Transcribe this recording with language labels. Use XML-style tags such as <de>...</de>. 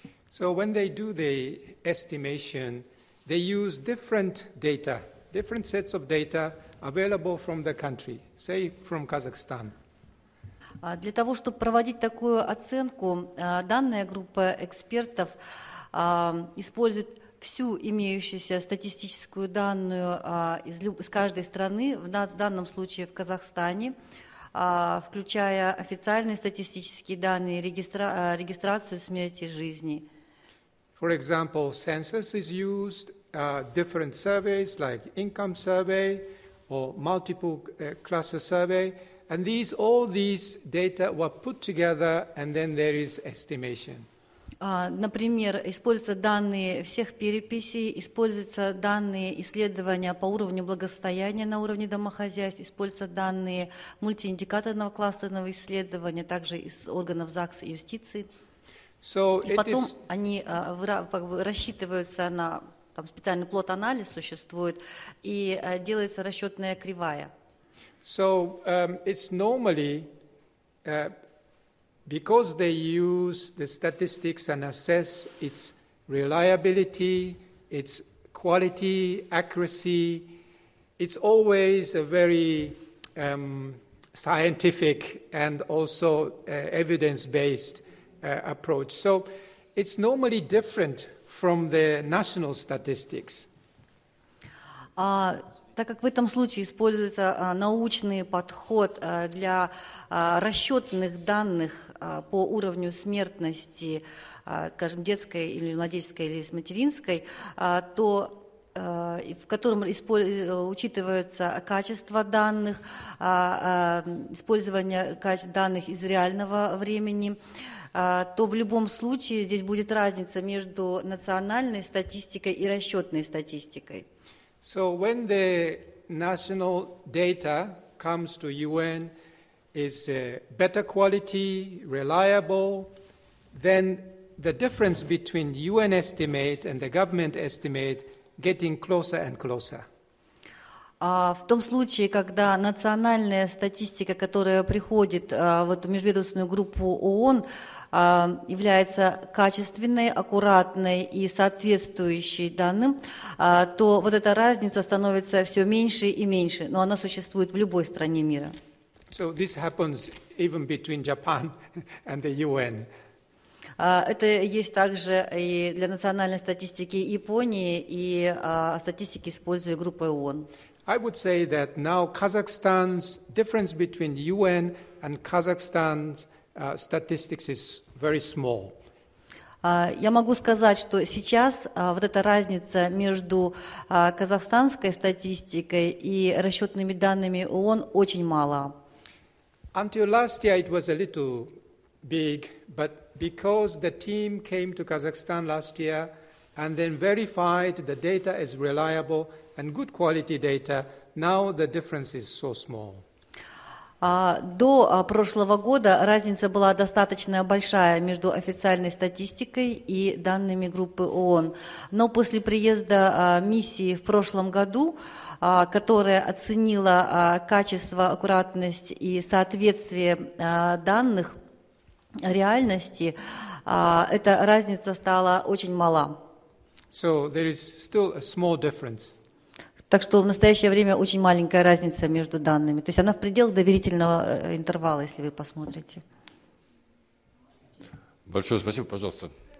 <en>So when they do the estimation, they use different data, different sets of data available from the country, say from Kazakhstan.</en> <ru>Для того, чтобы проводить такую оценку, данная группа экспертов использует всю имеющуюся статистическую данную из каждой страны, в данном случае в Казахстане, включая официальные статистические данные, регистрацию смерти жизни.</ru> <en>For example, census is used, different surveys like income survey or multiple cluster survey, and all these data were put together and then there is estimation.</en> <ru>Например, используются данные всех переписей, используются данные исследования по уровню благосостояния на уровне домохозяйств, используются данные мультииндикаторного кластерного исследования, также из органов ЗАГС и юстиции.</ru> <en>So</en> <ru>и потом они рассчитываются на там специальный плот-анализ существует, и делается расчетная кривая.</ru> <en>So it's normally because they use the statistics and assess its reliability, its quality, accuracy, it's always a very scientific and also evidence-based approach. So it's normally different from the national statistics.</en> <ru>Так как в этом случае используется научный подход для расчетных данных по уровню смертности, скажем, детской или младенческой или материнской, то в котором учитываются качество данных, использование качества данных из реального времени, то в любом случае здесь будет разница между национальной статистикой и расчетной статистикой.</ru> <en>So when the national data comes to UN is better quality, reliable, then the difference between UN estimate and the government estimate getting closer and closer.</en> <ru>В том случае, когда национальная статистика, которая приходит в эту межведомственную группу ООН, является качественной, аккуратной и соответствующей данным, то вот эта разница становится все меньше и меньше, но она существует в любой стране мира.</ru> <en>So this happens even between Japan and the UN.</en> <ru>Это есть также и для национальной статистики Японии и статистики, используя группу ООН.</ru> <en>I would say that now Kazakhstan's difference between UN and Kazakhstan's statistics is very small.</en> <ru>Я могу сказать, что сейчас вот эта разница между казахстанской статистикой и расчетными данными ООН очень мала.</ru> <en>Until last year it was a little big, but because the team came to Kazakhstan last year and then verified the data is reliable and good quality data, now the difference is so small.</en> <ru>До прошлого года разница была достаточно большая между официальной статистикой и данными группы ООН. Но после приезда миссии в прошлом году, которая оценила качество, аккуратность и соответствие данных реальности, эта разница стала очень мала.</ru> <en>So there is still a small difference.</en> <ru>Так что в настоящее время очень маленькая разница между данными. То есть она в пределах доверительного интервала, если вы посмотрите. Большое спасибо, пожалуйста.</ru>